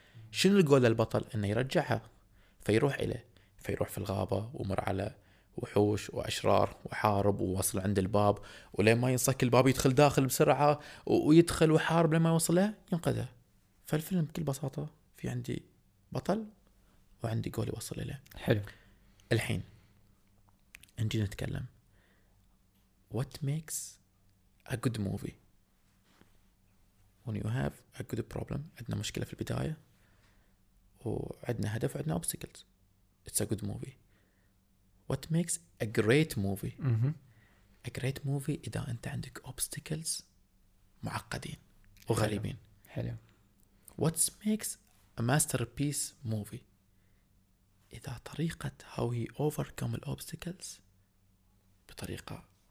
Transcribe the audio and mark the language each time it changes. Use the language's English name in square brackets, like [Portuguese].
[Arabic] شنو الجول للبطل؟ انه يرجعها، فيروح اليه، فيروح في الغابة ومر على وحوش واشرار وحارب ووصل عند الباب، ولين ما ينصك الباب يدخل داخل بسرعة، ويدخل وحارب لما يوصلها ينقذها. فالفيلم بكل بساطة في عندي بطل وعندي جول يوصل إليه. حلو. الحين نجي نتكلم [English] what makes a good movie when you have a good problem. [Arabic] عندنا مشكلة في البداية وعندنا هدف وعندنا obstacles. [English] It's a good movie. What makes a great movie. Mm-hmm. A great movie [Arabic] إذا أنت عندك obstacles معقدين وغريبين. حلو. [English] What makes a masterpiece movie? [Arabic] إذا طريقة [English] how he overcome the obstacles [Arabic] بطريقة